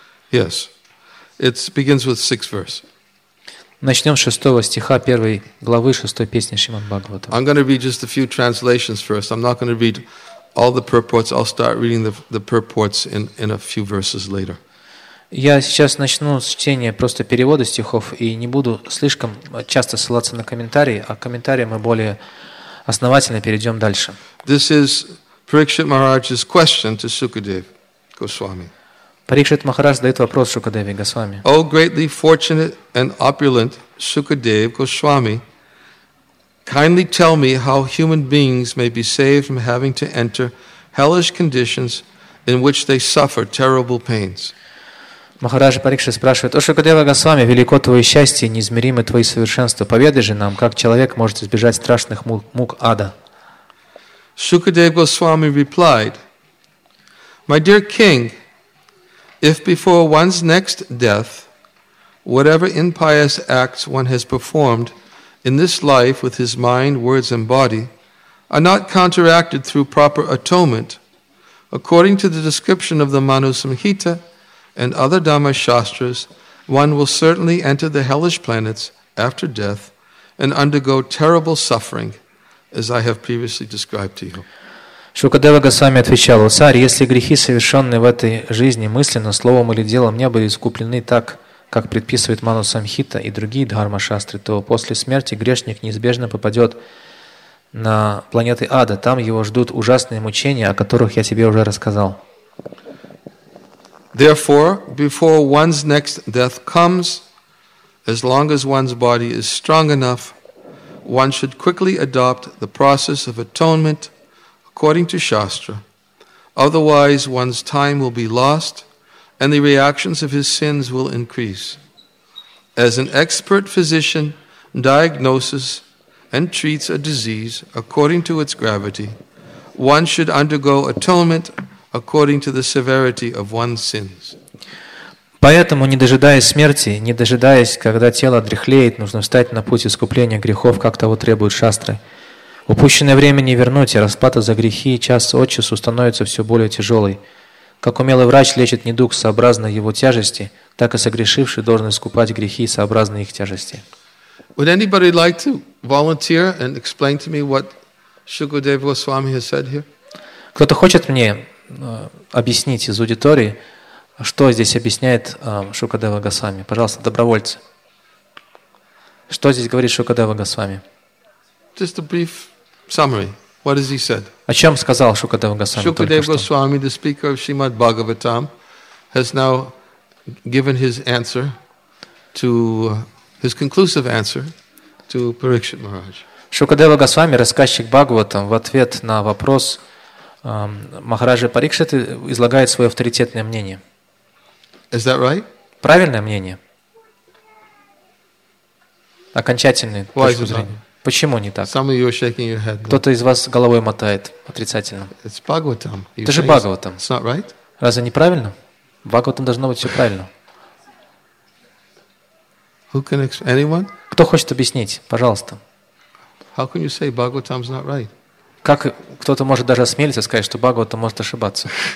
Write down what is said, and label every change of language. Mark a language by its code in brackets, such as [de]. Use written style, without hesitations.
[en] Yes, it begins with sixth verse. [ru] Начнем с шестого стиха первой главы шестой песни Шримад Бхагаватам. [en] I'm going to read just a few translations first. I'm not going to read all the purports. I'll start reading the purports in a few verses later. [ru] Я сейчас начну с чтения просто перевода стихов и не буду слишком часто ссылаться на комментарии, а комментарии мы более основательно перейдем дальше. [en] This is Parikshit Maharaj's question to Sukadev Goswami. [ru] Парикшит Махарадж задает вопрос Шукадеве Госвами. [en] O greatly fortunate and opulent Sukadev Goswami, kindly tell me how human beings may be saved from having to enter hellish conditions in which they suffer terrible pains. [ru] Махарадж Парикшит спрашивает: О Шукадева Госвами, велико твое счастье, неизмеримы твои совершенства. Поведай же нам, как человек может избежать страшных мук ада. [en] Shukadev Goswami replied, My dear king, if before one's next death, whatever impious acts one has performed in this life with his mind, words, and body are not counteracted through proper atonement, according to the description of the Manu Samhita and other Dhamma Shastras, one will certainly enter the hellish planets after death and undergo terrible suffering, as I have previously described to you. [ru] Шукадева Госвами отвечал: «О царь, если грехи, совершенные в этой жизни мысленно, словом или делом, не были искуплены так, как предписывает Ману Самхита и другие дхарма-шастры, то после смерти грешник неизбежно попадет на планеты ада. Там его ждут ужасные мучения, о которых я тебе уже рассказал». [en] Therefore, before one's next death comes, as long as one's body is strong enough, one should quickly adopt the process of atonement according to Shastra. Otherwise, one's time will be lost and the reactions of his sins will increase. As an expert physician diagnoses and treats a disease according to its gravity, one should undergo atonement according to the severity of one's sins. [ru] Поэтому, не дожидаясь смерти, не дожидаясь, когда тело дряхлеет, нужно встать на путь искупления грехов, как того требуют шастры. Упущенное время не вернуть, и расплата за грехи час от часу становится все более тяжелой. Как умелый врач лечит недуг сообразно его тяжести, так и согрешивший должен искупать грехи сообразно их тяжести. [en] Would anybody like to volunteer and explain to me what Shukadev Goswami has said here? [ru] Кто-то хочет мне объяснить из аудитории, что здесь объясняет Шукадева Госвами? Пожалуйста, добровольцы. Что здесь говорит Шукадева Госвами? [en] Just a brief summary. What has he said? [ru] О чём сказал Шукадева Госвами только что? [en] Шукадева Госвами, the speaker of Srimad Bhagavatam, has now given his answer to his conclusive answer to Parikshit Maharaj. [ru] Шукадева Госвами, рассказчик Бхагаватам, в ответ на вопрос Махараджи Парикшиты излагает свое авторитетное мнение. [en] Is that right? [ru] Правильное мнение. Окончательное. [en] Why is it wrong? [ru] Почему не так? [en] Some of you are shaking your head. [ru] Кто-то из вас головой мотает отрицательно. [en] It's Bhagavatam. [ru] Это же Бхагаватам. [en] It's not right? [ru] Разве не правильно? В Бхагаватам должно быть все правильно. [en] Who can explain? Anyone? [ru] Кто хочет объяснить? Пожалуйста. [en] How can you say Bhagavatam is not right? [ru] Как кто-то может даже осмелиться сказать, что Бхагаватам может ошибаться?